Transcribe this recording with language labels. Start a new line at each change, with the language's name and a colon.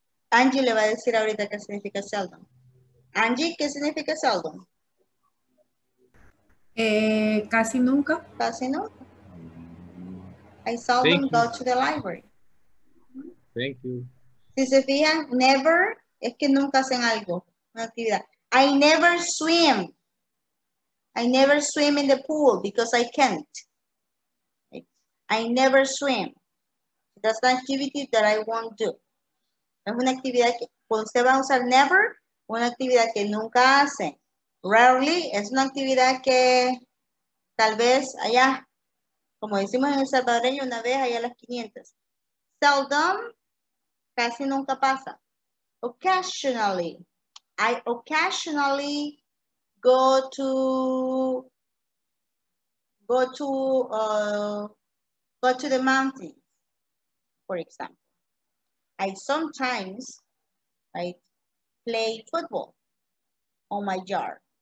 Spanish: Angie le va a decir ahorita qué significa seldom. Angie, ¿qué significa seldom? Casi nunca. Casi nunca.
English: I seldom go to the library. Thank you.
Spanish: Si se fijan, never, es que nunca hacen algo, una actividad.
English: I never swim. I never swim in the pool because I can't. I never swim. That's an activity that I won't do.
Spanish: Es una actividad que, cuando usted va a usar never, una actividad que nunca hace. Rarely, es una actividad que tal vez allá, como decimos en el salvadoreño, una vez allá a las 500. Seldom, casi nunca pasa.
English: Occasionally. I occasionally go to go to the mountains, for example. I sometimes play football on my yard.